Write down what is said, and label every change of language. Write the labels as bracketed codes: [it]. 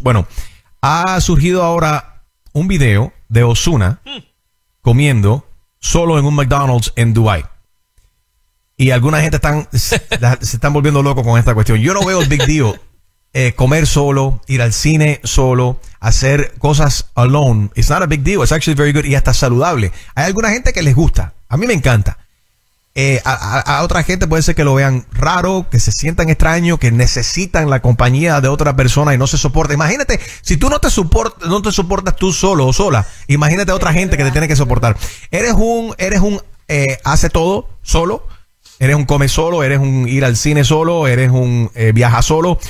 [es] Bueno, ha surgido ahora un video de Ozuna comiendo solo en un McDonald's en Dubai. Y alguna gente se están volviendo loco con esta cuestión. Yo no veo el [en] big deal. [es] Comer solo, ir al cine solo, hacer cosas alone. [en] It's not a big deal. It's actually very good [es] y hasta saludable. Hay alguna gente que les gusta. A mí me encanta. A otra gente puede ser que lo vean raro, que se sientan extraños, que necesitan la compañía de otra persona y no se soporta. Imagínate, si tú no te soportas tú solo o sola, imagínate a otra gente que te tiene que soportar. Eres un hace todo solo. Eres un come solo, eres un ir al cine solo, eres un viaja solo.